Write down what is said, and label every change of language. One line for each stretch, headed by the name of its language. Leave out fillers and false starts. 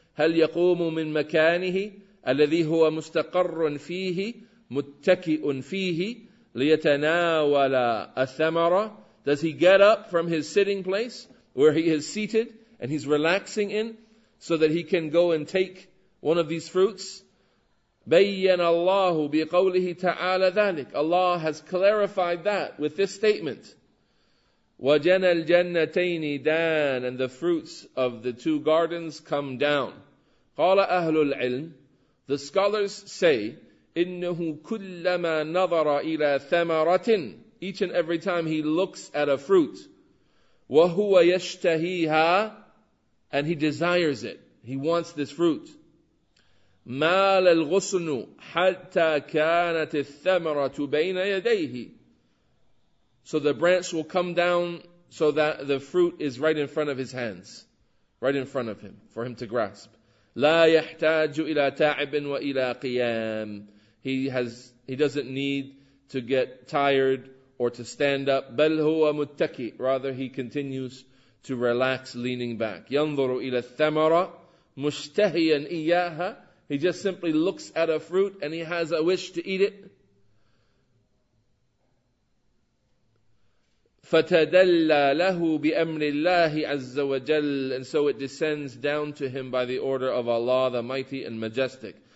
Arabic: هل يقوم من مكانه الذي هو مستقر فيه متكئ فيه ليتناول الثمرة.
English: Does he get up from his sitting place where he is seated and he's relaxing in so that he can go and take one of these fruits?
Arabic: بيّن الله بقوله تعالى ذلك.
English: Allah has clarified that with this statement.
Arabic: وَجَنَى الْجَنَّتَيْنِ دَانٍ,
English: and the fruits of the two gardens come down.
Arabic: قَالَ أَهْلُ الْعِلْمِ,
English: the scholars say,
Arabic: إِنَّهُ كُلَّمَا نَظَرَ إِلَى ثَمَرَةٍ,
English: each and every time he looks at a fruit,
Arabic: وَهُوَ يَشْتَهِيهَا,
English: and he desires it, he wants this fruit.
Arabic: مَالَ الْغُصْنُ حَتَّى كَانَتِ الثَّمَرَةُ بَيْنَ يَدَيْهِ.
English: So the branch will come down so that the fruit is right in front of his hands, right in front of him, for him to grasp.
Arabic: لا يحتاج إلى تعب وإلى قيام.
English: He doesn't need to get tired or to stand up.
Arabic: بل هو متكي.
English: Rather, he continues to relax, leaning back.
Arabic: ينظر إلى الثمرة مشتهيا إياها.
English: He just simply looks at a fruit and he has a wish to eat it.
Arabic: فَتَدَلَّ لَهُ بِأَمْرِ اللَّهِ عَزَّ وَجَلَّ.
English: And so it descends down to him by the order of Allah, the Mighty and Majestic.